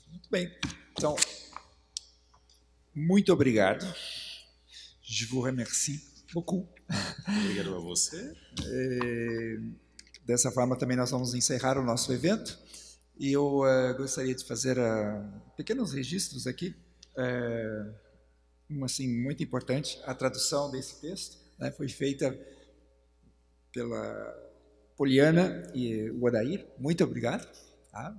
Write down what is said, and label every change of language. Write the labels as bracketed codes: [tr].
[pt] Bem, então, muito obrigado. [fr] Je vous remercie beaucoup. [pt] Obrigado a você. Dessa forma, também nós vamos encerrar o nosso evento. E eu gostaria de fazer pequenos registros aqui, assim, muito importante. A tradução desse texto né, foi feita pela Poliana e o Odair. Muito obrigado. Tá?